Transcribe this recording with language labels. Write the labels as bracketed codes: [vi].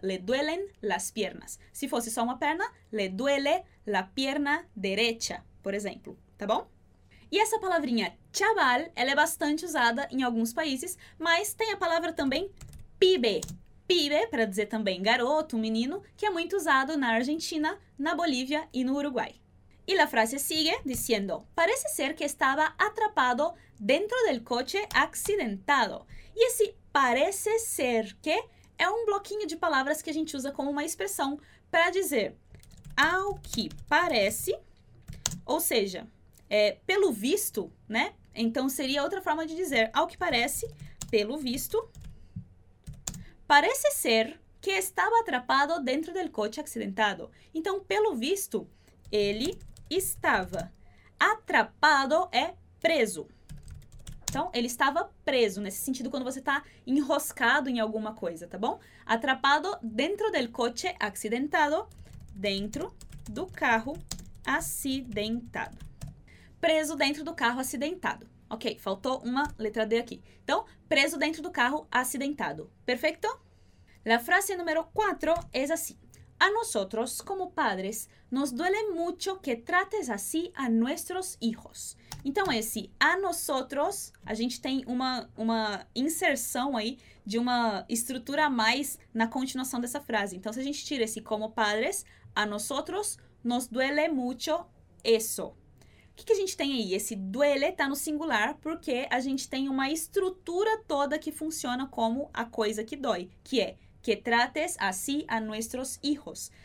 [es] Le duelen las piernas. [pt] Se fosse só uma perna, [es] le duele la pierna derecha, [pt] por exemplo. Tá bom? E essa palavrinha chaval, ela é bastante usada em alguns países, mas tem a palavra também pibe. Pibe, para dizer também garoto, menino, que é muito usado na Argentina, na Bolívia e no Uruguai. [es] Y la frase sigue diciendo, parece ser que estaba atrapado dentro del coche accidentado. Y ese parece ser que [pt] é um bloquinho de palavras que a gente usa como uma expressão para dizer ao que parece, ou seja, pelo visto, né? Então, seria outra forma de dizer ao que parece, pelo visto, [es] parece ser que estaba atrapado dentro del coche accidentado. [pt] Então, pelo visto, ele estava atrapado é preso. Então, ele estava preso, nesse sentido, quando você está enroscado em alguma coisa, tá bom? [es] Atrapado dentro del coche accidentado, [pt] dentro do carro acidentado. Preso dentro do carro acidentado. Ok, faltou uma letra D aqui. Então, preso dentro do carro acidentado. Perfeito? La frase número 4 é assim. [es] A nosotros, como padres, nos duele mucho que trates así a nuestros hijos. [pt] Então, esse a nosotros, a gente tem uma inserção aí de uma estrutura a mais na continuação dessa frase. Então, se a gente tira esse como padres, [es] a nosotros nos duele mucho eso. [pt] O que a gente tem aí? Esse duele está no singular porque a gente tem uma estrutura toda que funciona como a coisa que dói, que é [es] que trates así a nuestros hijos.